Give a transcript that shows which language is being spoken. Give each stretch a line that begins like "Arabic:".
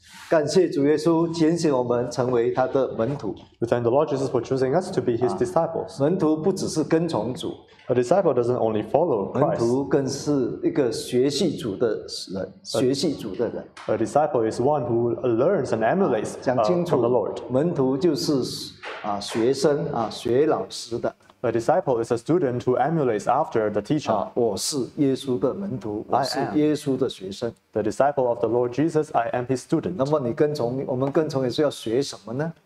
Chinese: 感谢主耶稣拣选我们成为他的门徒。
English: We thank the Lord Jesus for choosing us to be His disciples.
Chinese: 门徒不只是跟从主。
English: A disciple doesn't only follow Christ.
Chinese: 门徒更是一个学习主的人，学习主的人。
English: A disciple is one who learns and emulates from the Lord.
Chinese: 讲清楚，门徒就是学生学老师的。
English: A disciple is a student who emulates after the teacher.
Chinese: 我是耶稣的门徒，我是耶稣的学生。
English: The disciple of the Lord Jesus, I am his student.
Chinese: 那么你跟从，我们跟从也是要学什么呢？